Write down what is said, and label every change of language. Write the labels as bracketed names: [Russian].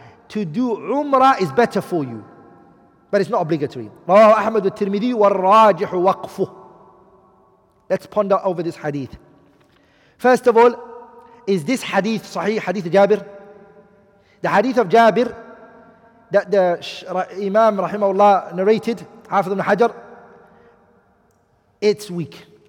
[English] To do Umrah is better for you, but it's not obligatory. [Arabic] رواه أحمد والترمذي والراجح وقفه. [English] Let's ponder over this hadith. First of all, is this hadith sahih, hadith Jabir? The hadith of Jabir that the Imam rahimahullah narrated, Hafiz ibn Hajar, it's weak.